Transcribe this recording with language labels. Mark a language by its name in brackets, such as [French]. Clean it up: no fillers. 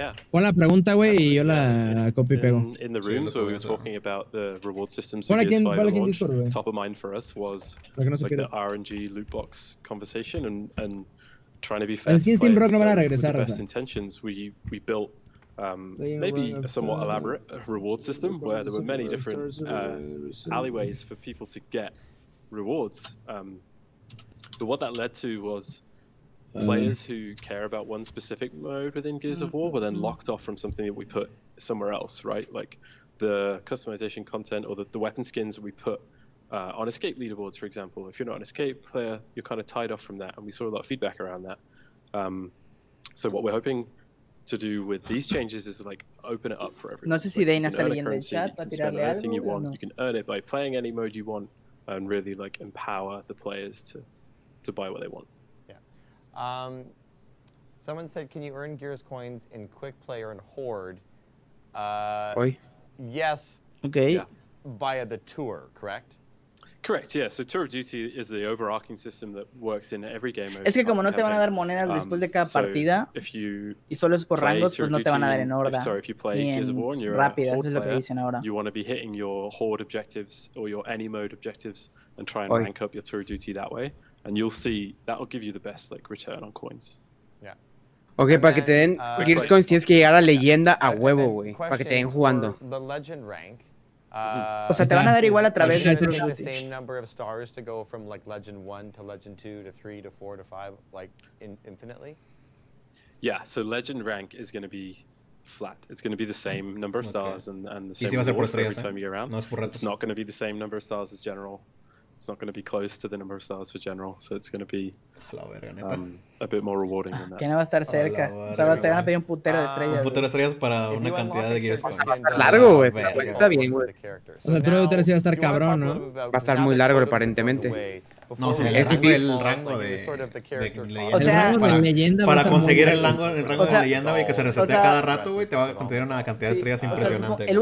[Spanish] Pon la pregunta, güey, y yo la copio y pego. [English] En el room, we were talking about the reward systems for Gears 5 launch. Top of mind for us was like the RNG loot box conversation and trying to be fair. [Spanish] Es Team Rock no van a regresar. [English] With the best intentions, we built maybe a somewhat elaborate reward system where there were many different alleyways for people to get rewards. But what that led to was players who care about one specific mode within Gears of War were then locked off from something that we put somewhere else, right? Like the customization content or the weapon skins that we put on escape leaderboards, for example. If you're not an escape player, you're kind of tied off from that. And we saw a lot of feedback around that. So what we're hoping to do with these changes is like open it up for everyone. [Spanish] No sé si Dana está leyendo el chat para tirarle algo. [English] Spend anything you want. You can earn it by playing any mode you want and really like empower the players to buy what they want. Someone said, can you earn Gears coins in quick play or in horde? Oi. Yes. Okay. Yeah. Via the tour, correct? Correct. Yeah. So Tour of Duty is the overarching system that works in every game. [Spanish] Es que como no te van a dar monedas después de cada partida, y solo es por rangos, pues no te van a dar en horda. [English] Sorry, if you play Gears of War, you're [Spanish] rápida. Eso es lo que dicen ahora. [English] You want to be hitting your horde objectives or your any mode objectives and try and rank up your Tour of Duty that way, and you'll see that will give you the best like return on coins. Ok, and [Spanish] para then, que te den Gears Coins tienes que llegar a leyenda a huevo, güey. Para que te den jugando. Rank, o sea, te van a dar igual a través de los [English] same number of stars to go from like legend 1 to legend 2 to 3 to 4 to 5 like infinitely. Yeah, so legend rank is going to be flat. It's going to be the same number of stars and the same. [Spanish] Y si va a ser por estrellas, [English] every time you're around. [Spanish] No es por retos. [English] It's not going to be the same number of stars as general. It's not going to be close to the number of stars for general, so it's going to be a bit more rewarding than that. [Spanish] Que no va a estar cerca. O sea, te van a pedir un putero de estrellas. Un putero de estrellas para una cantidad de Gears Coins. Va a estar largo, güey. Está bien, güey. O sea, el turno de tres iba a estar cabrón, ¿no? Va a estar muy largo, aparentemente. No, sí, el rango de leyenda. O sea, para conseguir el rango de leyenda, güey, que se resetea cada rato, güey, te va a conseguir una cantidad de estrellas impresionante.